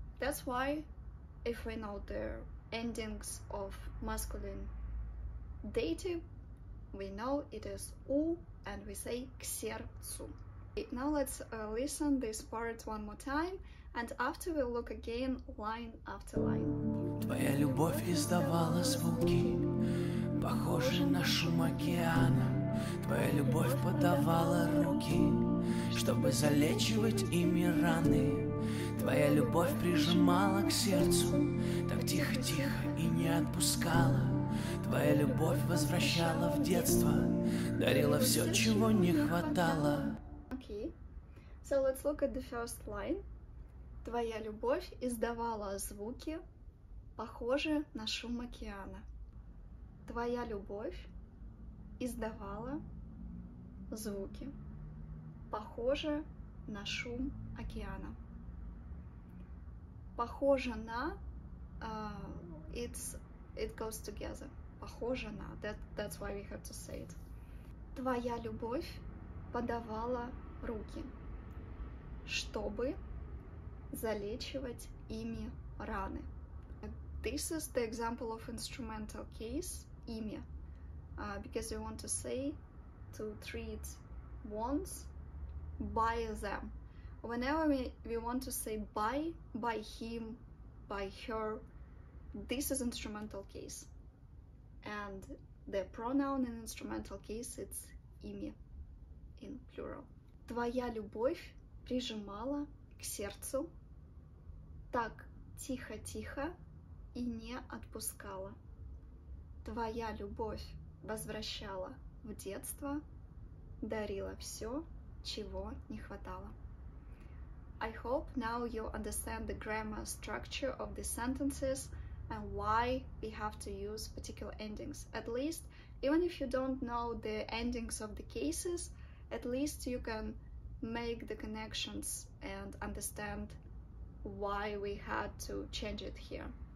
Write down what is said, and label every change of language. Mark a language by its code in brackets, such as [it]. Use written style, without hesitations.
[en] That's why if we know the endings of masculine dative, we know it is у, and we say [ru] к сердцу. [en] Now let's listen this part one more time, and after we'll look again line after line. [ru] Твоя любовь издавала звуки, похожие на шум океана. Твоя любовь подавала руки, чтобы залечивать ими раны. Твоя любовь прижимала к сердцу, так тихо-тихо и не отпускала. Твоя любовь возвращала в детство, дарила все, чего не хватало. [en] Okay, so let's look at the first line. [ru] Твоя любовь издавала звуки, похожие на шум океана. Твоя любовь издавала звуки, похожие на шум океана. Похоже на, [en] it goes together. [ru] Похоже на, [en] that's why we have to say it. [ru] Твоя любовь подавала руки, чтобы залечивать ими раны. [en] This is the example of instrumental case, ими, because we want to say to treat wounds by them. Whenever we want to say by him, by her, this is instrumental case. And the pronoun in instrumental case, it's ими, in plural. [ru] Твоя любовь прижимала к сердцу так тихо-тихо и не отпускала. Твоя любовь возвращала в детство, дарила все, чего не хватало. [en] I hope now you understand the grammar structure of the sentences and why we have to use particular endings. At least, even if you don't know the endings of the cases, at least you can make the connections and understand why we had to change it here.